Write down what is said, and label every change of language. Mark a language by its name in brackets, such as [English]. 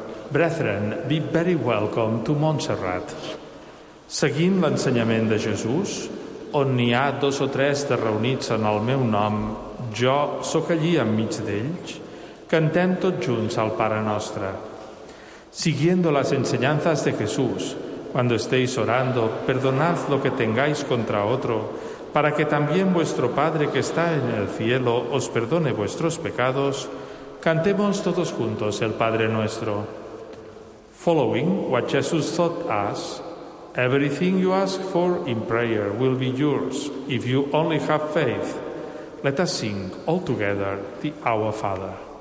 [English] Brethren, be very welcome to Montserrat. [Catalan] Seguint l'ensenyament de Jesús, on n'hi ha dos o tres de reunits en el meu nom, jo sóc allí enmig d'ells, cantem tots junts al Pare Nostre. [Spanish] Siguiendo las enseñanzas de Jesús, cuando estéis orando, perdonad lo que tengáis contra otro, para que también vuestro Padre que está en el cielo os perdone vuestros pecados, cantemos todos juntos el Padre Nuestro. [English] Following what Jesus taught us, everything you ask for in prayer will be yours if you only have faith. Let us sing all together the Our Father.